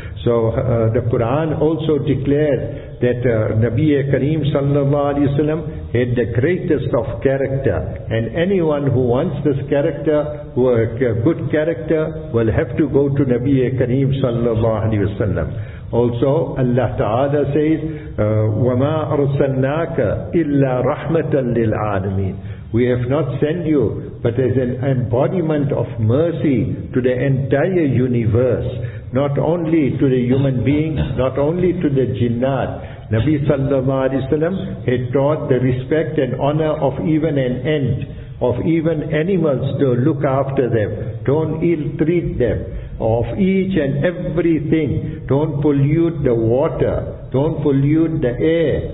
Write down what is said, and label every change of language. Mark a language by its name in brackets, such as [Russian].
[English] So the Quran also declares that Nabi Kareem sallallahu alayhi wa sallam had the greatest of character. And anyone who wants this character, good character, will have to go to Nabi Kareem sallallahu alayhi wa sallam. [Arabic] Also, Allah Ta'ala says, وَمَا أَرْسَلْنَاكَ إِلَّا رَحْمَةً لِلْعَالَمِينَ. [English] We have not sent you but as an embodiment of mercy to the entire universe, not only to the human beings, not only to the jinnat. Nabi sallallahu alayhi wa sallam had taught the respect and honor of even an ant, of even animals, to look after them, don't ill-treat them, of each and everything, don't pollute the water, don't pollute the air.